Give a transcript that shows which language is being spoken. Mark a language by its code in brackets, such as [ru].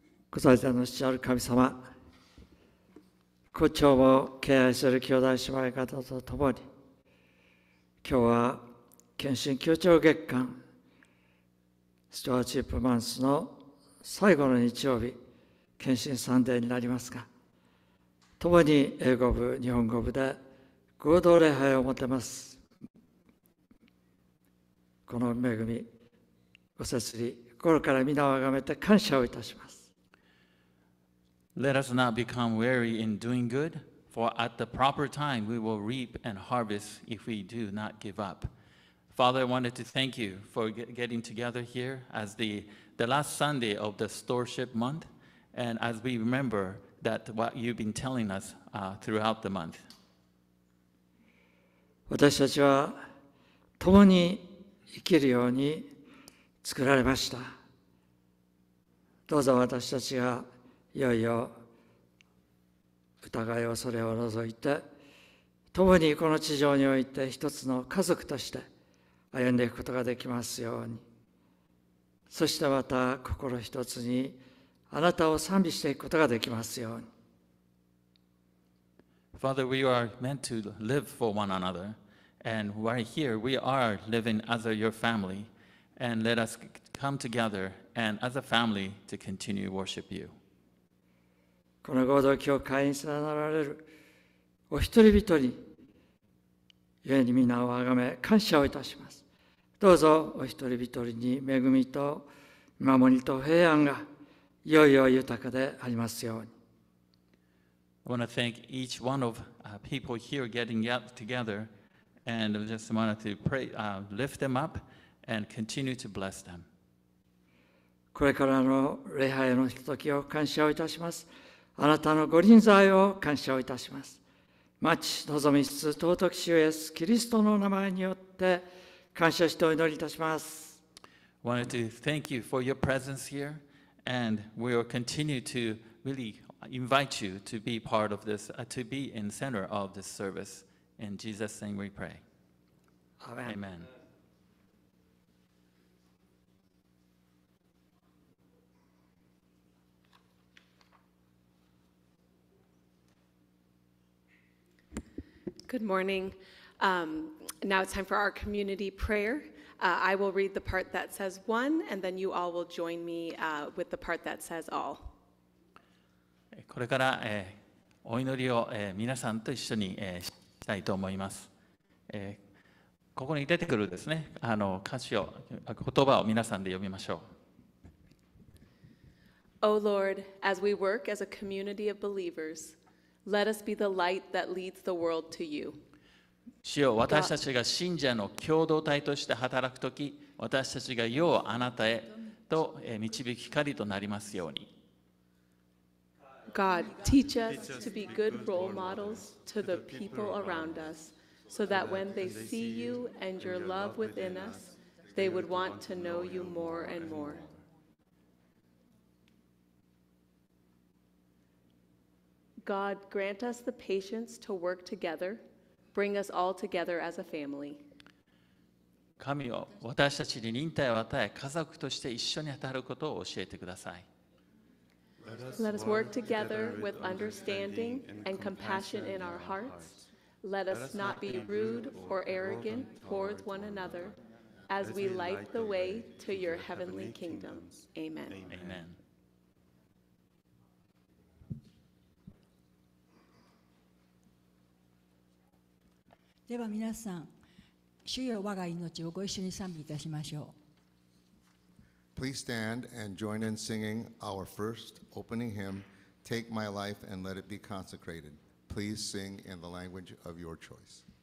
[ja] ご在座の主なる神様、今日も敬愛する兄弟姉妹方とともに、今日は献身強調月間、Stewardship Month の最後の日曜日、献身サンデーになりますが、共に英語部、日本語部で合同礼拝を持てます。この恵み、ご設立、心から皆をあがめて感謝をいたします。 [en] Let us not become weary in doing good, for at the proper time we will reap and harvest if we do not give up. Father, I wanted to thank you for getting together here as the last Sunday of the Stewardship Month, and as we rememberthat what you've been telling us throughout the month. [ja] 私たちは共に生きるように作られました。どうぞ私たちがいよいよ疑いを恐れを除いて、共にこの地上において一つの家族として歩んでいくことができますように。そしてまた心一つにあなたを賛美していくことができますように。 [en] Father, we are meant to live for one another, and right here we are living as your family, and let us come together and as a family to continue worship you. [ja] この合同教会に連なられるお一人一人に、故に皆をあがめ感謝をいたします。どうぞお一人一人に恵みと守りと平安がいよいよ豊かでありますように。 [en] I want to thank each one of people here getting together and just wanted to pray, lift them up and continue to bless them. [ja] これからの礼拝のひとときを感謝をいたします。あなたのご臨在を感謝をいたします。待ち望みつつ尊き主イエスキリストの名前によって感謝してお祈りいたします。 [en] I wanted to thank you for your presence here, and we will continue to really invite you to be part of this, to be in the center of this service. In Jesus' name we pray. Amen. Amen. Good morning. Now it's time for our community prayer. I will read the part that says one, and then you all will join me with the part that says all. [ja] これから、お祈りを、皆さんと一緒に、したいと思います。ここに出てくるですね、歌詞を、言葉を皆さんで読みましょう。 [en] O Lord, as we work as a community of believers,Let us be the light that leads the world to you. [ja] 主よ、私たちが信者の共同体として働くとき、私たちが世をあなたへと導く光となりますように。 [en] God, teach us to be good role models to the people around us, so that when they see you and your love within us, they would want to know you more and more. God, grant us the patience to work together. Bring us all together as a family. [ja] 神よ、私たちに忍耐を与え、家族として一緒に働くことを教えてください。 [en] Let us work together with understanding and compassion in our hearts. Let us not be rude or arrogant towards one another as we light the way to your heavenly kingdom. Amen. Amen. [ja] では皆さん、主よ我が命をご一緒に賛美いたしましょう。 [en] Please stand and join in singing our first opening hymn, Take My Life and Let It Be Consecrated. Please sing in the language of your choice.